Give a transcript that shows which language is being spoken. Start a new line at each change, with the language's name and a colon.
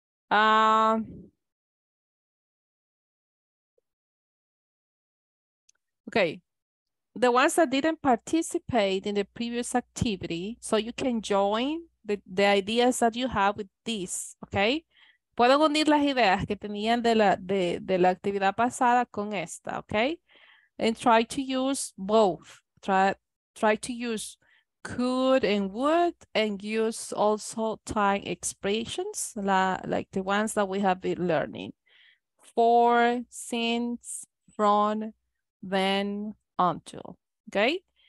English: Okay, the ones that didn't participate in the previous activity, so you can join the ideas that you have with this, okay?
Spanish: Puedo unir las ideas que tenían de la actividad pasada con esta, okay?
English: And try to use both. Try to use could and would, and use also time expressions, like the ones that we have been learning. For, since, from, then, until, okay?